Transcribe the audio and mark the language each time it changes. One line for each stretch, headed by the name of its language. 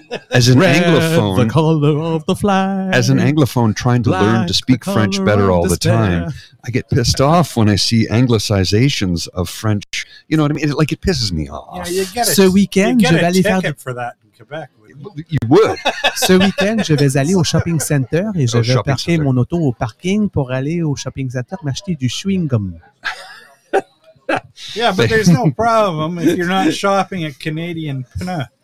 English: As an Anglophone... The color of the flag. As an Anglophone trying to learn to speak French better all the time, I get pissed off when I see anglicizations of French. You know what I mean? It pisses me off. Yeah, you get it.
French: Ce weekend,
English: you get a ticket for that in Quebec. You would.
French: Ce weekend, je vais aller au shopping center et je vais parquer mon auto au parking pour aller au shopping center m'acheter du chewing-gum.
English: Yeah, but there's no problem if you're not shopping at Canadian Pina.